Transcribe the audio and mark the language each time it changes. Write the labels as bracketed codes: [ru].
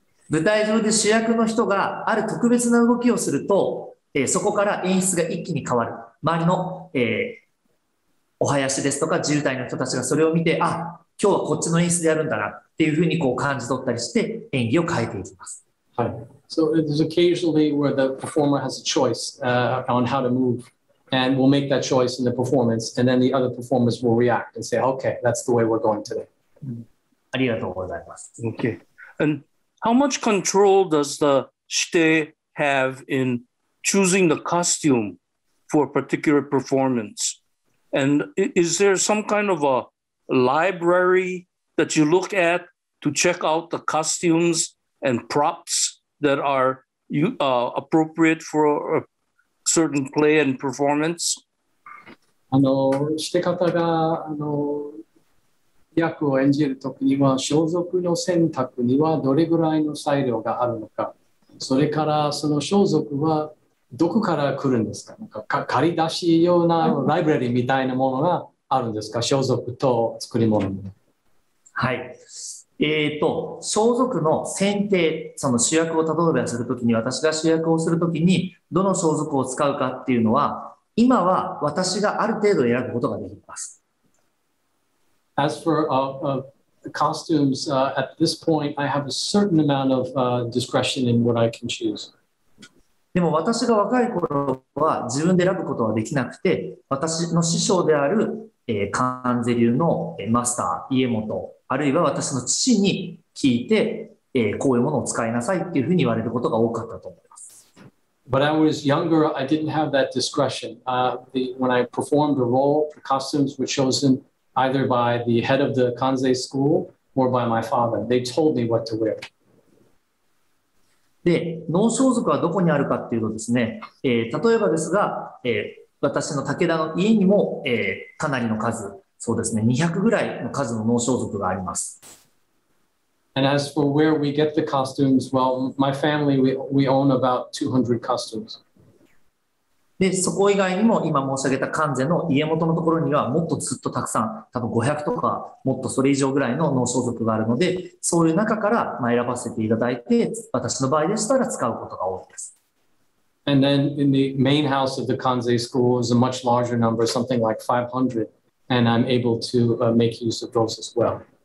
[ja] 舞台上で主役の人がある特別な動きをするとそこから演出が一気に変わる。周りの、お囃子ですとか渋滞の人たちがそれを見て、あ、今日はこっちの演出でやるんだなっていうふうにこう感じ取ったりして演技を変えていきます。はい。 [en] So it is occasionally where the performer has a choice, on how to move and will make that choice in the performance and then the other performers will react and say, okay, that's the way we're going today.、 [ja] ありがとうございます。 [en] Okay. And how much control does the shite have inChoosing the costume for a particular performance? And is there some kind of a library that you look at to check out the costumes and props that are appropriate for a certain play and performance? [ja] あの、して方が、あの、役を演じるときには、装束の選択にはどれぐらいの裁量があるのか。それからその装束はどこから来るんですか？借り出し用なライブラリーみたいなものがあるんですか？装束と作り物。はい。装束の選定、その主役を例えばするときに、私が主役をするときに、どの装束を使うかっていうのは、今は私がある程度選ぶことができます。 [en] As for costumes, at this point, I have a certain amount of discretion in what I can choose. [ja] でも私が若い頃は自分で選ぶことはできなくて、私の師匠である関西流のマスター家元、あるいは私の父に聞いて、こういうものを使いなさいっていうふうに言われることが多かったと思います。 [en] But I was younger, I didn't have that discretion. When I performed a role, the costumes were chosen either by the head of the Kanzei school or by my father. They told me what to wear. [ja] で、能装束はどこにあるかっていうとですね、例えばですが、私の武田の家にも、かなりの数、そうですね、200ぐらいの数の能装束があります。 [en] And as for where we get the costumes, well, my family, we own about 200 costumes. [ja] で、そこ以外にも今申し上げた関税の家元のところにはもっとずっとたくさん、多分500とかもっとそれ以上ぐらいの能装束があるので、そういう中から選ばせていただいて、私の場合でしたら使うことが多いです。 [en] And then in the main house of the Kanzei school is a much larger number, something like 500, and I'm able to make use of those as well.